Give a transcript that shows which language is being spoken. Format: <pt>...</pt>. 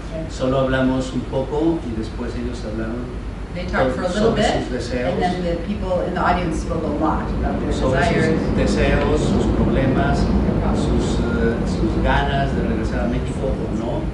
<es>Solo hablamos un poco y después ellos hablaron sobre sus deseos.</es> <en>And then the people in the audience spoke a lot about their desires,</en> <es>sus deseos, sus problemas, sus ganas de regresar a México o no.</es>